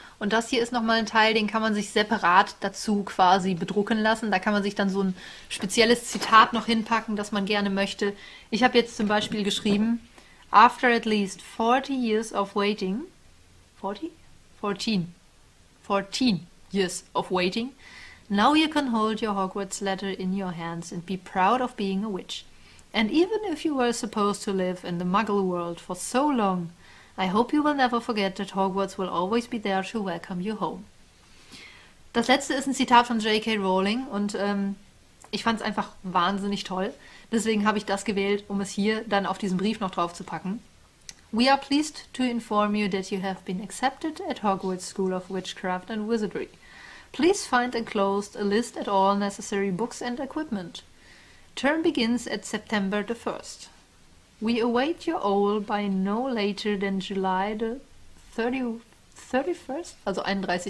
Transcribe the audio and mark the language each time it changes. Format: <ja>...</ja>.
<de>Und das hier ist nochmal ein Teil, den kann man sich separat dazu quasi bedrucken lassen. Da kann man sich dann so ein spezielles Zitat noch hinpacken, das man gerne möchte. Ich habe jetzt zum Beispiel geschrieben,</de> <en>After at least 40 years of waiting, 40? 14. 14 years of waiting. Now you can hold your Hogwarts letter in your hands and be proud of being a witch. And even if you were supposed to live in the Muggle world for so long, I hope you will never forget that Hogwarts will always be there to welcome you home.</en> <de>Das letzte ist ein Zitat von J.K. Rowling und ich fand es einfach wahnsinnig toll. Deswegen habe ich das gewählt, um es hier dann auf diesen Brief noch drauf zu packen.</de> <en>We are pleased to inform you that you have been accepted at Hogwarts School of Witchcraft and Wizardry. Please find enclosed a list at all necessary books and equipment. Term begins at September the 1st. We await your all by no later than July the 31st, also 31.</en>